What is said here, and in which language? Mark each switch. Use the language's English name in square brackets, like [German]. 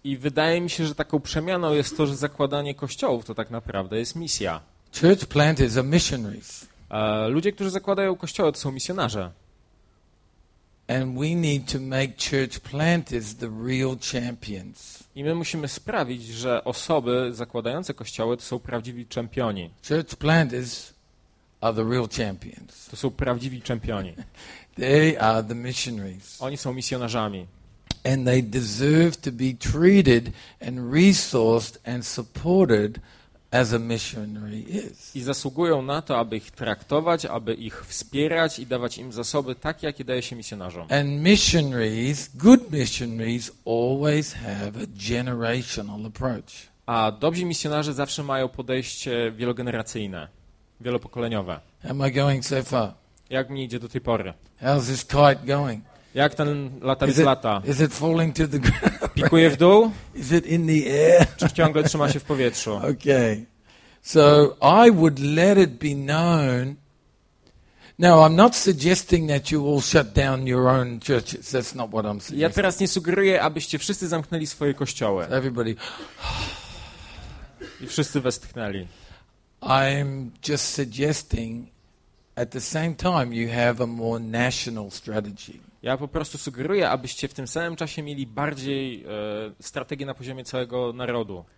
[Polish] I wydaje mi się, że taką przemianą jest to, że zakładanie kościołów to tak naprawdę jest misja. [English] Church planters are missionaries. [Polish] Ludzie, którzy zakładają kościoły, to są misjonarze. [English] And we need to make church planters the real champions. [Polish] I my musimy sprawić, że osoby zakładające kościoły to są prawdziwi czempioni. [English] Church planters are the real champions. [Polish] To są prawdziwi czempioni. [English] They are the missionaries. [Polish] Oni są misjonarzami. [English] And they deserve to be treated and resourced and supported as a missionary is. [Polish] I zasługują na to, aby ich traktować, aby ich wspierać i dawać im zasoby tak, jakie daje się misjonarzom. [English] And missionaries, good missionaries always have a generational approach. [Polish] A dobrzy misjonarze zawsze mają podejście wielogeneracyjne, wielopokoleniowe. [English] Am I going so far? [Polish] Jak mi idzie do tej pory? [English] How's this kite going? [Polish] Jak ten latawiec lata? [English] Is it falling to the ground? [Polish] Pikuje w dół? [English] Is it in the air? [Polish] Czy ciągle trzyma się w powietrzu? [English] Okay. So I would let it be known. No, I'm not suggesting that you all shut down your own churches. That's not what I'm saying. [Polish] Ja teraz nie sugeruję, abyście wszyscy zamknęli swoje kościoły. [English] So everybody. [Polish] I wszyscy westchnęli. [English] I'm just suggesting at the same time you have a more national strategy. [Polish] Ja po prostu sugeruję, abyście w tym samym czasie mieli bardziej strategię na poziomie całego narodu.